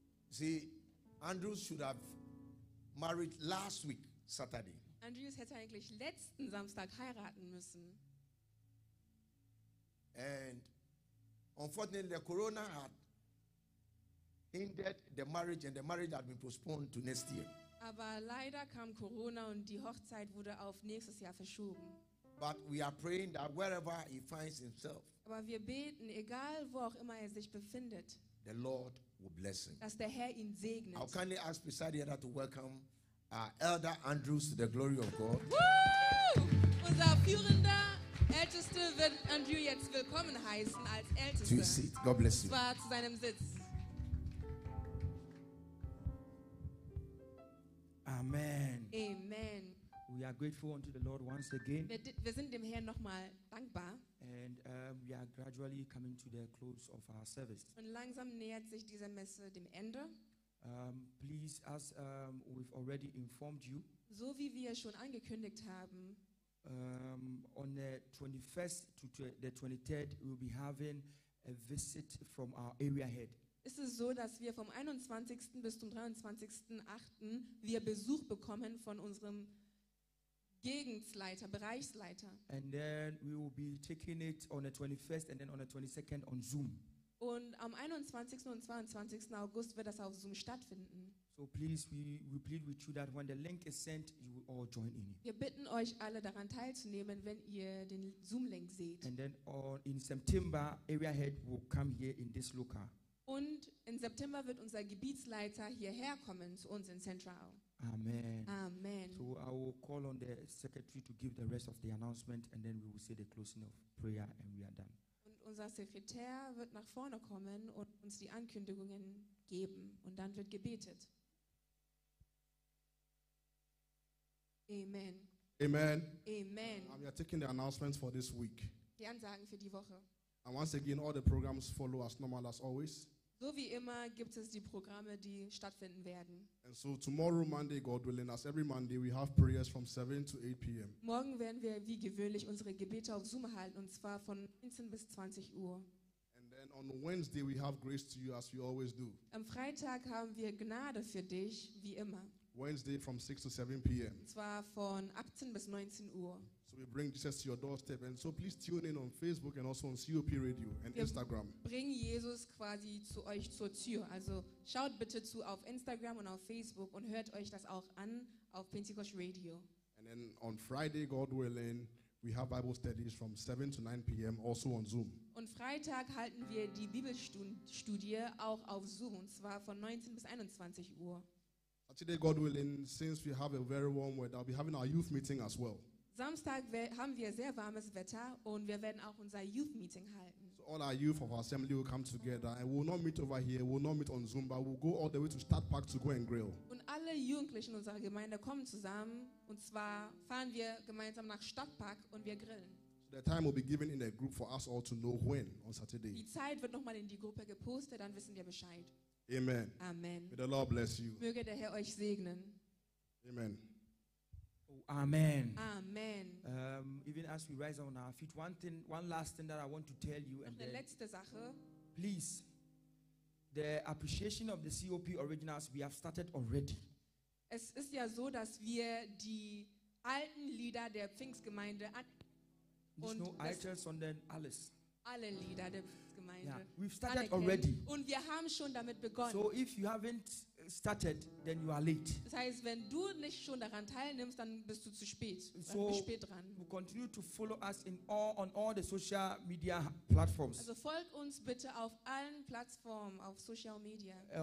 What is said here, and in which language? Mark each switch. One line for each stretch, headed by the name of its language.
English: See, Andrews should have married last week, Saturday.
German: Andrews hätte eigentlich letzten Samstag heiraten müssen.
English: And unfortunately, the corona had hindered the marriage, and the marriage had been postponed to next year.
German: Aber leider kam Corona und die Hochzeit wurde auf nächstes Jahr verschoben.
English: But we are praying that wherever he finds himself,
German: aber wir beten, egal wo auch immer er sich befindet,
English: the Lord will bless him.
German: Dass der Herr ihn segnet.
English: I'll kindly ask beside the other to welcome our elder Andrews to the glory of God. Woo!
German: Unser führender Ältester wird Andrew jetzt willkommen heißen als Ältester.
English: To his seat. God bless you.
German: Zwar zu seinem Sitz.
English: Amen. Amen. We are grateful unto the Lord once again.
German: Wir sind dem Herrn nochmal dankbar.
English: And we are gradually coming to the close of our service.
German: Und langsam nähert sich diese Messe dem Ende.
English: Please, as we've already informed you,
German: so wie wir schon angekündigt haben,
English: on the 21st to the 23rd, we'll be having a visit from our area head.
German: Ist es so, dass wir vom 21. bis zum 23.8. wir Besuch bekommen von unserem Gegensleiter, Bereichsleiter.
English: And then we will be taking it on the 21st and then on the 22nd on Zoom.
German: Und am 21. und 22. August wird das auf Zoom stattfinden.
English: So please, we plead with you that when the link is sent, you will all join in it.
German: Wir bitten euch alle daran teilzunehmen, wenn ihr den Zoom-Link seht.
English: And then in September, Area Head will come here in this local.
German: Und im September wird unser Gebietsleiter hierher kommen zu uns in Central.
English: Amen. Amen. So I will call on the secretary to give the rest of the announcement and then we will say the closing of prayer and we are done.
German: Und unser Sekretär wird nach vorne kommen und uns die Ankündigungen geben und dann wird gebetet.
English: Amen. Amen. Amen. We are taking the announcements for this week.
German: Die Ansagen für die Woche.
English: And once again, all the programs follow as normal as always.
German: So wie immer gibt es die Programme, die stattfinden werden.
English: And so tomorrow, Monday, God willing, as every Monday, we have prayers from 7 to 8 p.m.
German: Morgen werden wir wie gewöhnlich unsere Gebete auf Zoom halten, und zwar von 19 bis 20 Uhr.
English: And then on Wednesday, we have grace to you as we always do.
German: Am Freitag haben wir Gnade für dich, wie immer.
English: Wednesday from 6 to 7 p.m.
German: Und zwar von 18 bis 19 Uhr.
English: So we bring Jesus to your doorstep. And so please tune in on Facebook and also on COP Radio and Instagram.
German: Bring Jesus quasi zu euch zur Tür. Also schaut bitte zu auf Instagram und auf Facebook und hört euch das auch an auf Pentecost Radio.
English: And then on Friday, God willing, we have Bible studies from 7 to 9 p.m. also on Zoom.
German: Und Freitag halten wir die Bibelstudie auch auf Zoom, und zwar von 19 bis 21 Uhr.
English: Today, God willing, since we have a very warm weather, we'll be having our youth meeting as well.
German: Samstag haben wir sehr warmes Wetter und wir werden auch unser Youth Meeting halten.
English: So all our youth of our assembly will come together and we will not meet over here, we will not meet on Zoom, but we will go all the way to Stadt Park to go and grill.
German: Und alle Jugendlichen unserer Gemeinde kommen zusammen, und zwar fahren wir gemeinsam nach Stadtpark und wir grillen.
English: So the time will be given in the group for us all to know when on Saturday.
German: Die Zeit wird nochmal in die Gruppe gepostet, dann wissen wir Bescheid.
English: Amen. Amen. May the Lord bless you.
German: Möge der Herr euch segnen.
English: Amen. Amen. Amen. Even as we rise on our feet, one last thing that I want to tell you. And
German: eine letzte Sache.
English: Please, the appreciation of the COP originals, we have started already.
German: Es ist ja so, dass wir die alten Lieder der Pfingstgemeinde und no alter, sondern alles. Alle Lieder der Pfingstgemeinde.
English: Yeah, we've started
German: anerkennen.
English: Already.
German: Und wir haben schon damit begonnen.
English: So if you haven't started, then you are late.
German: Das heißt, wenn du nicht schon daran teilnimmst, dann bist du zu spät.
English: So
German: bist spät dran.
English: We continue to follow us on all the social media platforms.
German: Also folgt uns bitte auf allen Plattformen auf Social Media.